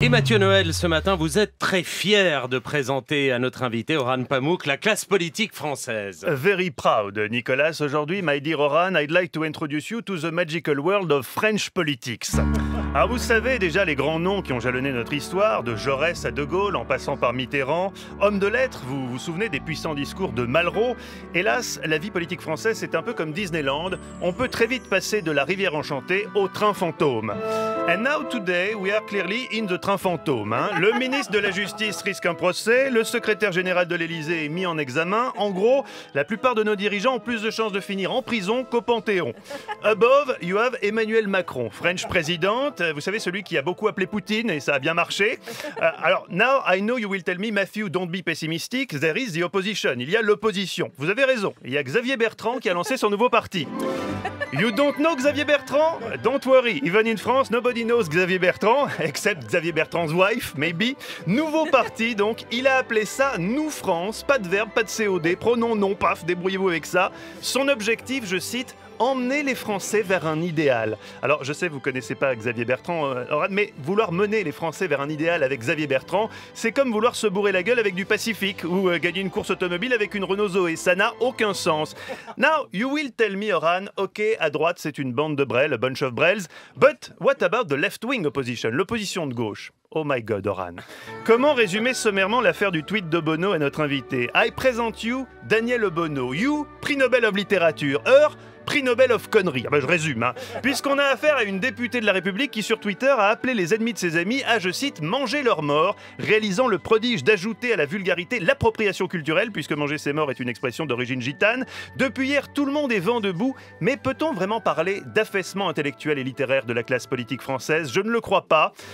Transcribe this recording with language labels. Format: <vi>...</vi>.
<fr>Et Mathieu Noël, ce matin, vous êtes très fier de présenter à notre invité, Orhan Pamuk, la classe politique française.</fr> <en>Very proud, Nicolas.</en> <fr>Aujourd'hui,</fr> <en>my dear Orhan, I'd like to introduce you to the magical world of French politics.</en> <fr>Ah, vous savez déjà les grands noms qui ont jalonné notre histoire, de Jaurès à De Gaulle, en passant par Mitterrand. Homme de lettres, vous vous souvenez des puissants discours de Malraux. Hélas, la vie politique française, c'est un peu comme Disneyland. On peut très vite passer de la rivière enchantée au train fantôme.</fr> <en>And now today, we are clearly in the train fantôme. Hein.</en> <fr>Le ministre de la Justice risque un procès, le secrétaire général de l'Élysée est mis en examen. En gros, la plupart de nos dirigeants ont plus de chances de finir en prison qu'au Panthéon.</fr> <en>Above, you have Emmanuel Macron, French president.</en> <fr>Vous savez, celui qui a beaucoup appelé Poutine et ça a bien marché.</fr> <en>Alors, now I know you will tell me, Matthew, don't be pessimistic. There is the opposition.</en> <fr>Il y a l'opposition. Vous avez raison. Il y a Xavier Bertrand qui a lancé son nouveau parti.</fr> <en>You don't know Xavier Bertrand? Don't worry. Even in France, nobody knows Xavier Bertrand, except Xavier Bertrand's wife, maybe.</en> <fr>Nouveau parti, donc. Il a appelé ça Nous France. Pas de verbe, pas de COD. Pronom, nom, paf, débrouillez-vous avec ça. Son objectif, je cite, emmener les Français vers un idéal. Alors, je sais, vous connaissez pas Xavier Bertrand, mais vouloir mener les Français vers un idéal avec Xavier Bertrand, c'est comme vouloir se bourrer la gueule avec du Pacifique ou gagner une course automobile avec une Renault Zoé. Ça n'a aucun sens.</fr> <en>Now, you will tell me, Orhan, ok,</en> <fr>à droite, c'est une bande de brels,</fr> <en>a bunch of brels, but what about the left-wing opposition,</en> <fr>l'opposition de gauche?</fr> <en>Oh my god, Orhan.</en> <fr>Comment résumer sommairement l'affaire du tweet de Bono à notre invité?</fr> <en>I present you, Daniel Bono. You,</en> <fr>prix Nobel</fr> <en>of Literature. Her,</en> <fr>prix Nobel of conneries. Ah ben je résume. Hein. Puisqu'on a affaire à une députée de la République qui sur Twitter a appelé les ennemis de ses amis à, je cite, « manger leurs morts », réalisant le prodige d'ajouter à la vulgarité l'appropriation culturelle, puisque manger ses morts est une expression d'origine gitane. Depuis hier, tout le monde est vent debout, mais peut-on vraiment parler d'affaissement intellectuel et littéraire de la classe politique française? Je ne le crois pas.</fr>